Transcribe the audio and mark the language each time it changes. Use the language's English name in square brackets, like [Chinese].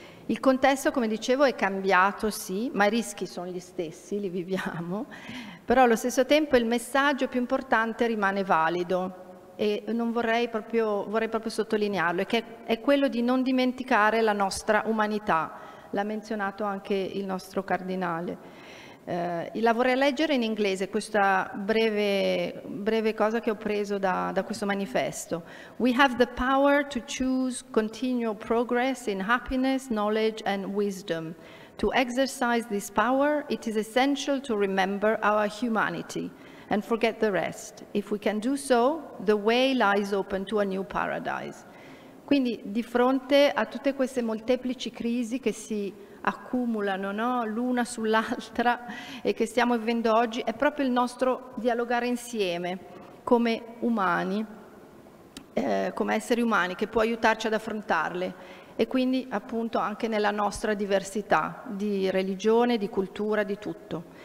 [Italian] Il contesto, come dicevo, è cambiato, sì, ma i rischi sono gli stessi, li viviamo, però allo stesso tempo il messaggio più importante rimane valido e non vorrei proprio sottolinearlo, che è quello di non dimenticare la nostra umanità, l'ha menzionato anche il nostro cardinale. La vorrei leggere in inglese questa breve cosa che ho preso da questo manifesto. [English] We have the power to choose continual progress in happiness, knowledge and wisdom. To exercise this power, it is essential to remember our humanity and forget the rest. If we can do so, the way lies open to a new paradise. [Italian] Quindi, di fronte a tutte queste molteplici crisi che si accumulano, no? L'una sull'altra e che stiamo vivendo oggi, è proprio il nostro dialogare insieme come umani, come esseri umani, che può aiutarci ad affrontarle e quindi appunto anche nella nostra diversità di religione, di cultura, di tutto.